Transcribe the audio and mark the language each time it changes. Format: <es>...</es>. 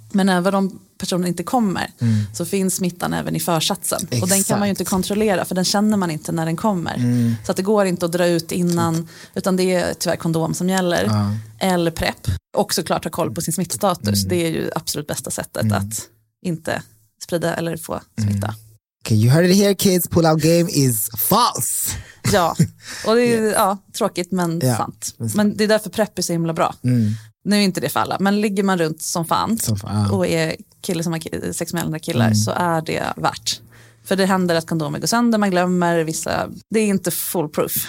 <sv>Men även om personen inte kommer så finns smittan även i försatsen. Exakt. Och den kan man ju inte kontrollera, för den känner man inte när den kommer. Så att det går inte att dra ut innan, utan det är tyvärr kondom som gäller. Ja. Eller prepp. Och såklart ha koll på sin smittstatus. Det är ju absolut bästa sättet att inte sprida eller få smitta.</sv> <en>Okay, you heard it here kids, pull out game is false.</en> <sv>Ja, och det är tråkigt men sant. Men det är därför prepp är så himla bra. Nu är inte det för alla, men ligger man runt som fan och är kille som har sex med andra killar så är det värt. För det händer att kondomer går sönder, man glömmer vissa, det är inte foolproof.</sv>